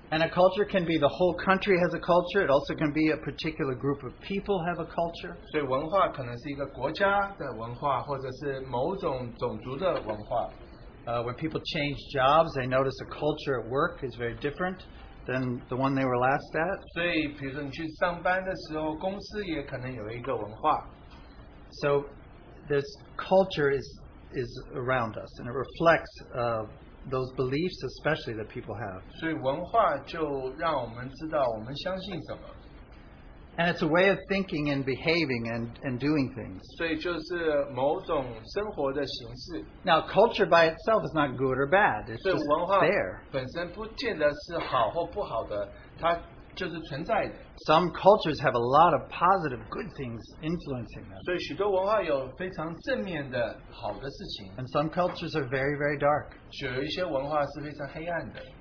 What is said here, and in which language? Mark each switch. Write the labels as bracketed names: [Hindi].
[English] And a culture can be the whole country has a culture. It also can be a particular group of people have a culture. So culture can be a country's culture or a particular culture. When people change jobs, they notice a culture at work is very different than the one they were last at. [Chinese] 所以比如说你去上班的时候, 公司也可能有一个文化。 [English] So this culture is around us, and it reflects those beliefs especially that people have. [Chinese] 所以文化就让我们知道我们相信什么。 [English] And it's a way of thinking and behaving and doing things. [Chinese] 所以就是某种生活的形式。 [English] Now, culture by itself is not good or bad. It's just there. [Chinese] 所以文化本身不见得是好或不好的, 它就是存在的。 [English] Some cultures have a lot of positive, good things influencing them. [Chinese] 所以许多文化有非常正面的好的事情。 [English] And some cultures are very, very dark. [Chinese] 有一些文化是非常黑暗的。